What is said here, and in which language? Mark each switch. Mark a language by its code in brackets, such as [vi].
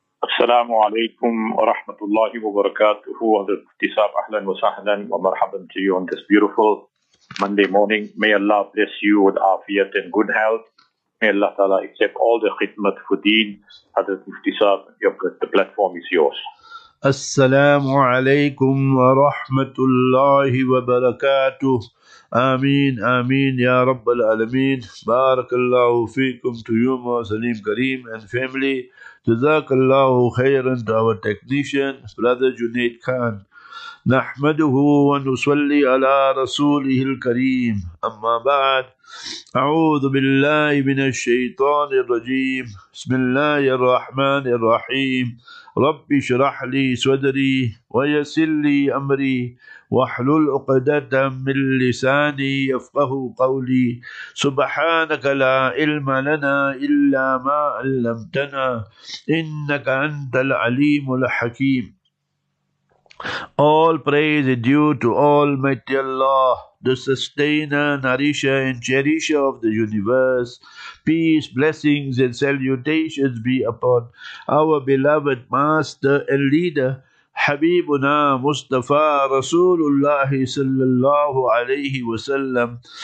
[ar] السلام عليكم ورحمة الله وبركاته. أهلا وسهلا ومرحبا [en] to you on this beautiful Monday morning. May Allah bless you with afiyat and good health. May Allah Ta'ala accept all the khidmat for deen. Hadrat Muftisab, the platform is yours. [ar] السلام عليكم ورحمة الله وبركاته. آمين آمين يا رب العالمين. بارك الله فيكم [en] to you, Salim Kareem and family. [ar] Jazakallahu khayran [en] to our technician, Brother Junaid Khan. [ar] نحمده ونصلي على رسوله الكريم. أما بعد, أعوذ بالله من الشيطان الرجيم. بسم الله الرحمن الرحيم. رب اشرح لي صدري ويسر لي أمري واحلل عقدة من لساني يفقه قولي. سبحانك لا علم لنا إلا ما علمتنا إنك أنت العليم الحكيم. [en] All praise is due to Almighty Allah, the sustainer, nourisher, and cherisher of the universe. Peace, blessings, and salutations be upon our beloved master and leader, Habibuna Mustafa Rasulullah [ar] sallallahu alayhi wa sallam.